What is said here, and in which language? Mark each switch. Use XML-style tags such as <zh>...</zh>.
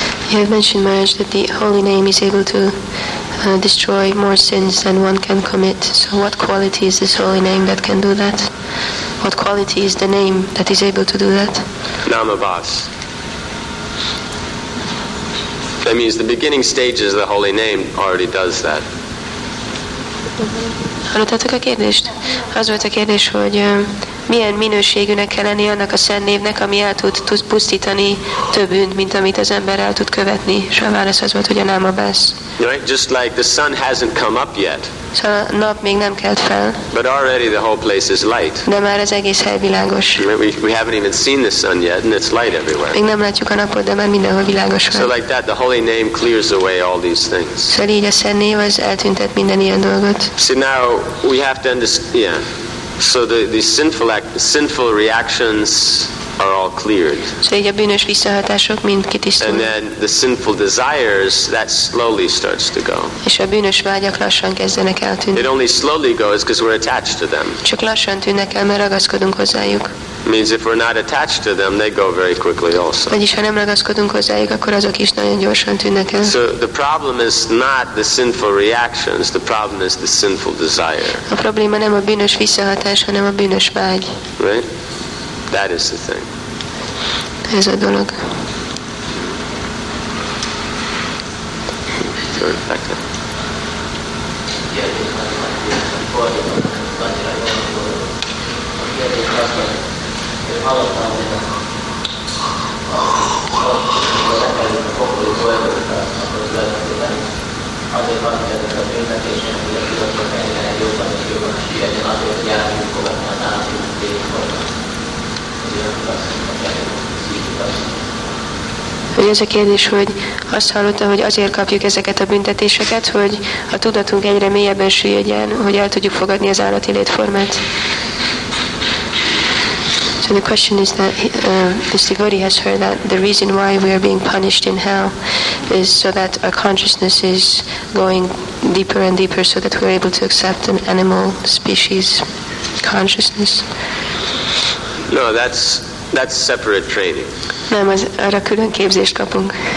<en>You have mentioned, Maharaj, that the holy name is able to destroy more sins than one can commit. So what quality is this holy name that can do that? What quality is the name that is able to do that? Namavas. That means the beginning stages of the holy name already does that.</en> <hu>Hallottátok a kérdést? Az volt a kérdés, hogy milyen minőségűnek kell lenni annak a szent névnek, ami el tud pusztítani több bűnt, mint amit az ember el tud követni. És a válasz az volt, hogy a náma besz.</hu> <en>Right, just like the sun hasn't come up yet.</en> <hu>Szóval a nap még nem kelt fel.</hu> <en>But already the whole place is light.</en> <hu>De már az egész hely világos.</hu> <en>We haven't even seen the sun yet, and it's light everywhere.</en> <hu>Még nem látjuk a napot, de már mindenhol világos van.</hu> <en>So like that, the holy name clears away all these things.</en> <hu>Szóval így a szent név az eltüntet minden ilyen dolgot.</hu> <en>See, now we have to understand. Yeah. So the sinful reactions are all cleared.</en> <hu>So így a bűnös visszahatások mind kitisztulnak.</hu> <en>And then the sinful desires, that slowly starts to go.</en> <hu>És a bűnös vágyak lassan kezdenek eltűnni.</hu> <en>It only slowly goes because we're attached to them.</en> <hu>Csak lassan tűnnek el, mert ragaszkodunk hozzájuk.</hu> <en>Means if we're not attached to them, they go very quickly also.</en> <hu>Vagyis ha nem ragaszkodunk hozzájuk, akkor azok is nagyon gyorsan tűnnek el.</hu> <en>So the problem is not the sinful reactions, the problem is the sinful desire.</en> <hu>A probléma nem a bűnös visszahatás, hanem a bűnös vágy.</hu> <en>Right? That is the thing.</en> <hu>Ez a dolog. Hogy ez a kérdés, hogy azt hallottam, hogy azért kapjuk ezeket a büntetéseket, hogy a tudatunk egyre mélyebben süllyedjen, hogy el tudjuk fogadni az állati létformát.</hu> <en>So the question is that this devotee has heard that the reason why we are being punished in hell is so that our consciousness is going deeper and deeper so that we are able to accept an animal species consciousness. No, that's separate training.</en> <hu>Nem, az arra külön képzést kapunk.</hu>